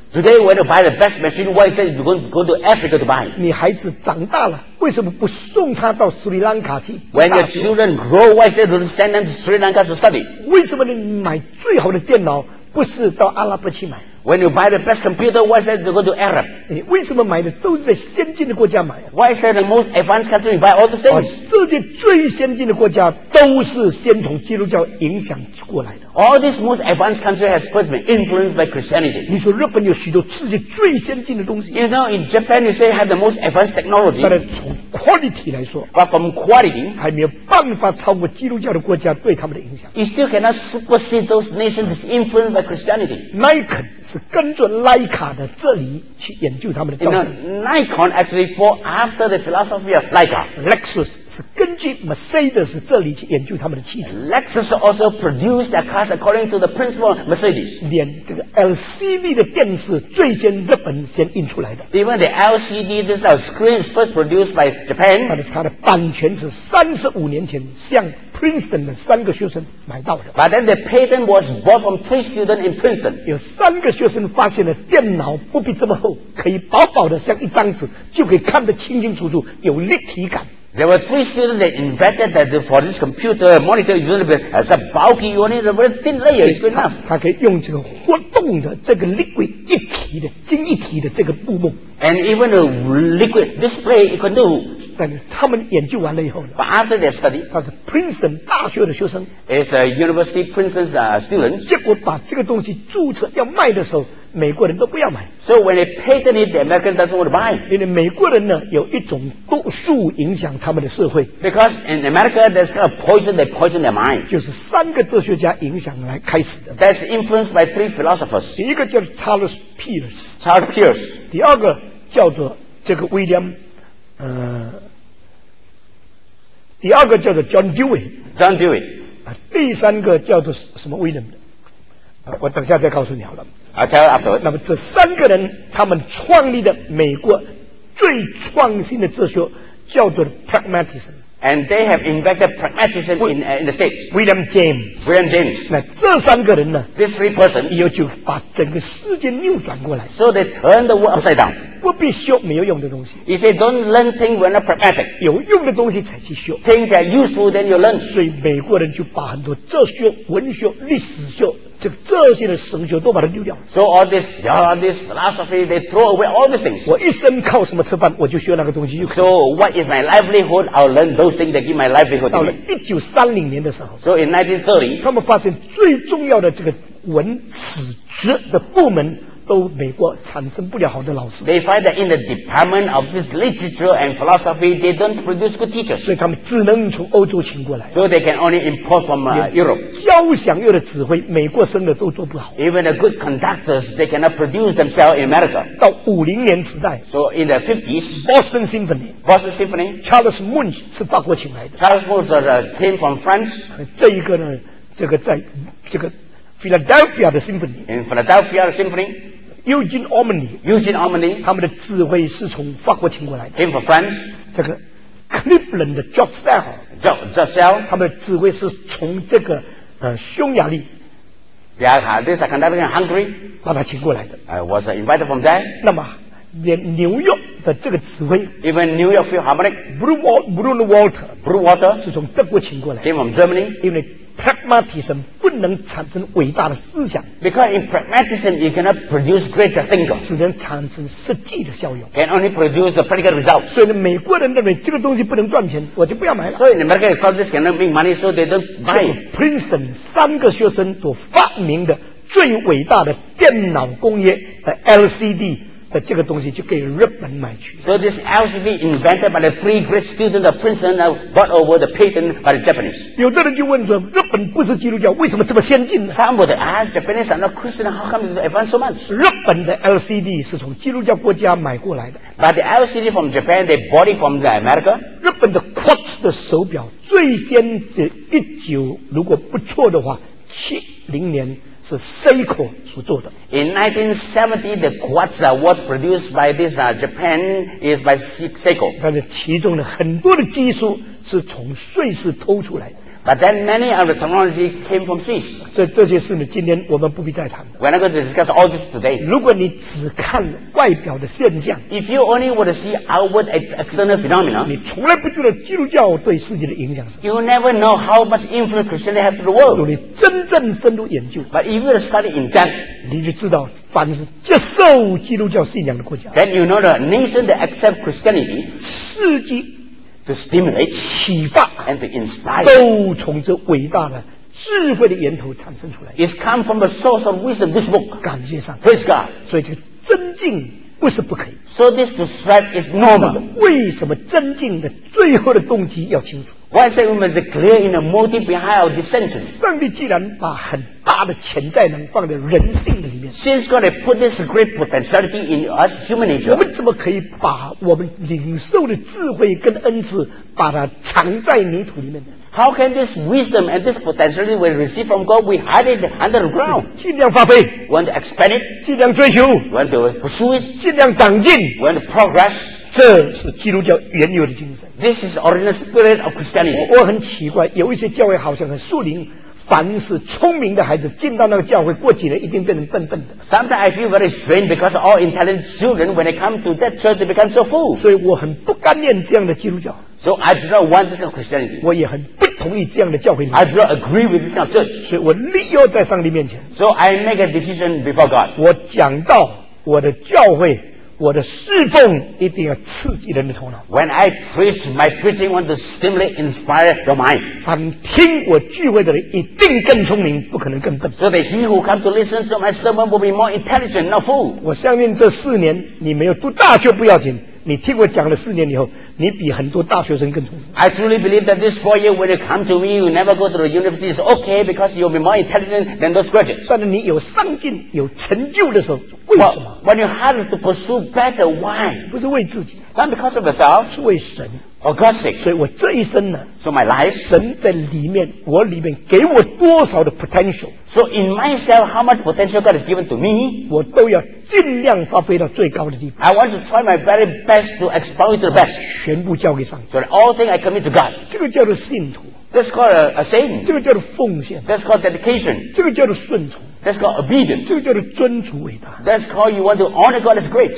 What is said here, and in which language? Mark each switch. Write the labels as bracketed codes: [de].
[en] Today when you buy the best machine why is it you're going to go to Africa to buy [zh] 你孩子长大了为什么不送他到斯里兰卡去 [en] When your children grow why is it you send them to Sri Lanka to study [zh] 为什么你买最好的电脑不是到阿拉伯去买 [en] When you buy the best computer, why is that you go to Arab? [zh] 你为什么买的都是在先进的国家买啊 [en] Why is that the most advanced country you buy all the things? [zh] 世界最先进的国家都是先从基督教影响过来的 [en] All these most advanced countries have first been influenced by Christianity. [zh] 你说日本有许多世界最先进的东西 [en] You know, in Japan, you say have the most advanced technology. [zh] 但是从 quality 来说 [en] But from quality, [zh] 还没有办法超过基督教的国家对他们的影响 [en] You still cannot supersede those nations that's influenced by Christianity. [zh] Nike是跟着莱卡的这里去研究他们的教程 [en] Nikon actually fall after the philosophy of Leica Lexus [zh] 是根据 Mercedes 这里去研究他们的汽车。 [en] Lexus also produced their cars according to the principle of Mercedes. [zh] 连这个 LCD 的电视最先日本先印出来的。 [en] Even the LCD this kind of screen is first produced by Japan. [zh] 它的版权是35年前向 Princeton 的三个学生买到的。 [en] But then the patent was bought from three students in Princeton. [zh] 有三个学生发现了电脑不必这么厚，可以薄薄的像一张纸，就可以看得清清楚楚，有立体感。 [en] There were three students that invented that for this computer monitor is a little bit as a bulky unit, a very thin layer is good enough. [zh] 它可以用这个活动的这个 liquid 一体的晶一体的这个布幕。 [en] And even a liquid display it can do. [zh] 但是他们研究完了以后呢 [en] ？But after their study, [zh] 他是 Princeton 大学的学生。 [en] It's a university Princeton's student. [zh] 结果把这个东西注册要卖的时候，美国人都不要买。 [en] So when they patent it, the American doesn't want to buy. [zh] 因为美国人呢有一种毒素影响他们的社会。 [en] Because in America, there's kind of poison that poison their mind. [zh] 就是三个哲学家影响来开始的。 [en] That's influenced by three philosophers. [zh] 一个叫 Charles Peirce. [en] Charles Peirce. [zh] 第二个叫做这个 William， 第二个叫做 John Dewey。 [en] John Dewey。 [zh] 第三个叫做什么 William？我等下再告诉你好了。 [en] I'll tell you afterwards. [zh] 那么这三个人他们创立的美国最创新的哲学叫做 pragmatism. [en] And they have invented pragmatism in the States. William James. William James. [zh] 那这三个人呢 [en] These three persons. [zh] 以后就把整个世界扭转过来。 [en] So they turn the world upside down. [zh] 不必修没有用的东西。 [en] He said, don't learn things when they're pragmatic. [zh] 有用的东西才去修。 [en] Things that are useful, then you learn. [zh] 所以美国人就把很多哲学、文学、历史学这些的神学都把它丢掉。 [en] So all this, yeah, this philosophy, they throw away all these things. [zh] 我一生靠什么吃饭，我就学那个东西。 [en] So what is my livelihood? I'll learn those things that give my livelihood. [zh] 到了1930年的时候。 [en] So in 1930, [zh] 他们发现最重要的这个文史哲的部门都美国产生不了好的老师。 [en] They find that in the department of this literature and philosophy, they don't produce good teachers. [zh] 所以他们只能从欧洲请过来。 [en] So they can only import from Europe. [zh] 交响乐的指挥，美国生的都做不好。 [en] Even the good conductors, they cannot produce themselves in America. [zh] 到五零年时代。 [en] So in the 50s, Boston Symphony. Boston Symphony. [zh] Charles Munch 是法国请来的。 [en] Charles Munch came from France. [zh] 这一个呢，这个在这个。Philadelphia 的 symphony [en] In Philadelphia 的 symphony [zh] Eugene Ormandy 他们的指挥是从法国请过来的 [en] Came from France [zh] 这个 Cleveland 的 Jocel 他们的指挥是从这个匈牙利 [en] These are conducted in Hungary [zh] 把他请过来的 [en] I was invited from there [zh] 那么连纽约的这个指挥 [en] Even New York Philharmonic [zh] Bruno Walter 是从德国请过来 [en] Came from Germany [zh] 因为Pragmatism 不能产生伟大的思想 [en] Because in pragmatism you cannot produce greater thinking [zh] 只能产生实际的效用 [en] Can only produce a practical result [zh] 所以美国人认为这个东西不能赚钱我就不要买了 [en] So in America they thought this cannot make money so they don't buy it [zh] Princeton 三个学生所发明的最伟大的电脑工业的 LCD 的这个东西就给日本买去 [en] So this LCD invented by the three great students of Princeton now bought over the patent by the Japanese [zh] 有的人就问说日本不是基督教为什么这么先进呢 [en] Some would ask Japanese are not Christian how come it's advanced so much [zh] 日本的 LCD 是从基督教国家买过来的 [en] But the LCD from Japan they bought it from the America [zh] 日本的 Quartz 的手表最先的一九如果不错的话70年是 Seiko 所做的。 [en] In 1970, the quartz was produced by this Japan is by Seiko. [zh] 但是其中的很多的技术是从瑞士偷出来的。 [en] But then many of the technology came from Swiss. [zh] 这些事呢，今天我们不必再谈。 [en] We're not going to discuss all this today. [zh] 如果你只看外表的现象 [en] ，If you only want to see outward external phenomena, [zh] 你从来不知道基督教对世界的影响是。 [en] You never know how much influence Christianity has to the world. [zh] 如果你真正深入研究 [en] ，But if you study in depth, [zh] 你就知道。凡是接受基督教信仰的国家 [en] ，Then you know the nation that accept Christianity, [zh] 刺激。 [en] To stimulate, [zh] 启发 [en] and to inspire, [zh] 都从这伟大的智慧的源头产生出来。 [en] It's come from the source of wisdom, this book. [zh] 感谢上帝。 [en] Praise God. [zh] 所以这个增进不是不可以。 [en] So this to strive is normal. [zh] 为什么增进的最后的动机要清楚。 [en] Why is that we must clear in the motive behind our dissension? [zh] 上帝既然把很大的潜在能放在人性的里面。面。 [en] Since God has put this great potentiality in us human nature， [zh] 我们怎么可以把我们领受的智慧跟恩赐，把它藏在泥土里面呢？ [en] How can this wisdom and this potentiality we receive from God, we hide it under the ground? [zh] 尽量发挥。 [en] Want to expand it? [zh] 尽量追求。 [en] Want to pursue it? [zh] 尽量长进。 [en] Want to progress? [zh] 这是基督教原有的精神。 [en] This is original spirit of Christianity. [zh] 我很奇怪，有一些教会好像很树林，凡是聪明的孩子进到那个教会，过几年一定变成笨笨的。 [en] Sometimes I feel very strange because all intelligent children, when they come to that church, they become so fool. [zh] 所以我很不甘愿这样的基督教。 [en] So I do not want this Christianity. [zh] 我也很不同意这样的教会。 [en] I do not agree with this kind of church. [zh] 所以我立约在上帝面前。 [en] So I make a decision before God. [zh] 我讲到我的教会，我的侍奉一定要刺激人的头脑。 [en] When I preach, my preaching want to stimulate, inspire your mind. [zh] 凡听我聚会的人一定更聪明，不可能更笨。 [en] So that he who come to listen to my sermon will be more intelligent, not fool. [zh] 我相信这四年你没有读大学不要紧，你听我讲了四年以后，你比很多大学生更聪明。 [en] I truly believe that this 4 years when you come to me, you never go to the university is okay because you'll be more intelligent than those graduates. [zh] 算是你有上进、有成就的时候，为什么 [en] ？When you have to pursue better, why? [zh] 不是为自己 [en] ，not because of yourself， [zh] 是为神。 [en] For God's sake， [zh] 所以我这一生呢 [en] ，So my life， [zh] 神在里面，我里面给我多少的 potential？ [en] So in myself， how much potential God has given to me？ [zh] 我都要尽量发挥到最高的地步。 [en] I want to try my very best to exploit the best。 [zh] 全部交给上帝。 [en] So all things I commit to God。 [zh] 这个叫做信徒。 [en] That's called a saint。 [zh] 这个叫做奉献。 [en] That's called dedication。 [zh] 这个叫做顺从。 [en] That's called obedience。 [zh] 这个叫做尊主伟大。 [en] That's called you want to honor God as great。